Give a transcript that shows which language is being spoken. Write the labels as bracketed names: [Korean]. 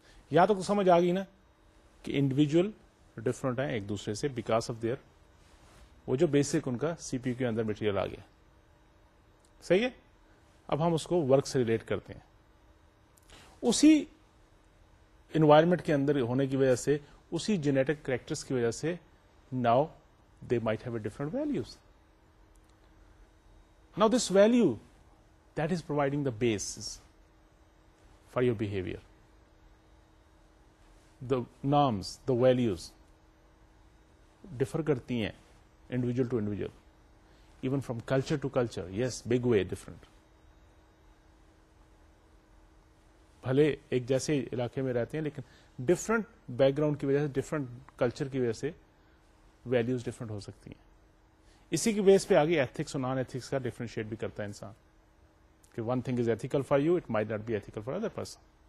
[Urdu] یا تو سمجھ آ گئی نا کہ انڈیویجل ڈفرنٹ ہیں ایک دوسرے سے [English] because of their [Urdu] وہ جو بیسک ان کا سی پی یو کے اندر مٹیریل آ گیا. صحیح ہے. اب ہم اس کو ورک سے ریلیٹ کرتے ہیں. اسی انوائرمنٹ کے اندر ہونے کی وجہ سے, اسی جینیٹک کریکٹرس کی وجہ سے [English] Now they might have a different values. Now this value that is providing the base for your behaviour, the norms the values differ [Urdu] کرتی ہیں [English] Individual to individual, even from culture to culture. Yes big way different. [Urdu] بھلے ایک جیسے علاقے میں رہتے ہیں لیکن ڈفرنٹ بیک گراؤنڈ کی وجہ سے ڈفرنٹ کلچر کی وجہ سے ویلوز ڈفرنٹ ہو سکتی ہیں. اسی کی بیس پہ آگے ایتھکس اور نان ایتھکس کا ڈفرینشیٹ بھی کرتا ہے انسان, کہ [English] One thing is ethical for you it might not be ethical for other person.